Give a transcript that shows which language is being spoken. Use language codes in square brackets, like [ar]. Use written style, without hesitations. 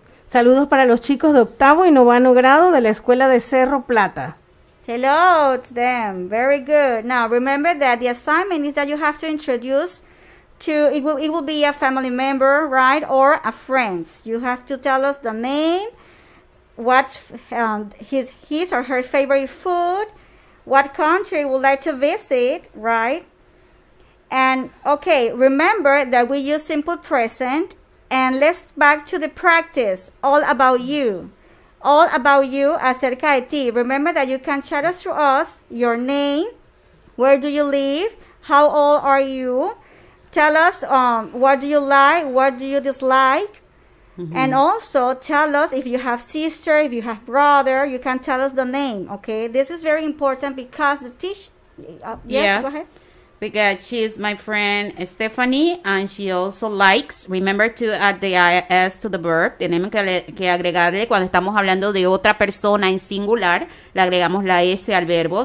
[es] Saludos para los chicos de octavo y noveno grado de la escuela de Cerro Plata. [en] Hello to them. Very good. Now, remember that the assignment is that you have to introduce to, it will be a family member, right? Or a friend. You have to tell us the name, what's his or her favorite food, what country would like to visit, right? And, okay, remember that we use simple present. And let's back to the practice, all about you. All about you, [es] acerca de ti. [en] Remember that you can chat us through us, your name, where do you live, how old are you, tell us what do you like, what do you dislike, and also tell us if you have sister, if you have brother, you can tell us the name, okay? This is very important because the Yes, go ahead. Because she is my friend Stephanie, and she also likes, remember to add the IS to the verb. [es] Tenemos que agregarle cuando estamos hablando de otra persona en singular, le agregamos la S al verbo.